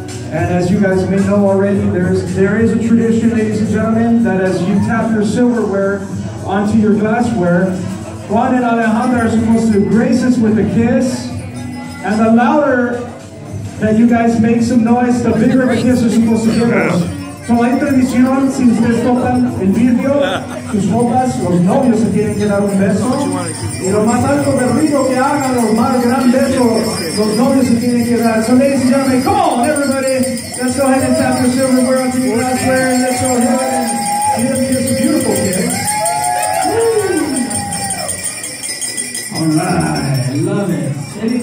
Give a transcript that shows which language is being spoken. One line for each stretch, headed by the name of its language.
English: And as you guys may know already, there is a tradition, ladies and gentlemen, that as you tap your silverware onto your glassware, Juan and Alejandra are supposed to grace us with a kiss. And the louder that you guys make some noise, the bigger of a kiss you're supposed to give us.
Spanish: So la tradición, si ustedes tocan el vidrio, sus ropas, los novios se tienen que dar un beso. Y lo más alto del ruido que hagan, los más grandes besos, los novios se tienen que dar.
English: So ladies and gentlemen, come on everybody, let's go ahead and tap your silverware onto your glassware, and let's go ahead and give me this beautiful kiss. All right, love it. Anytime.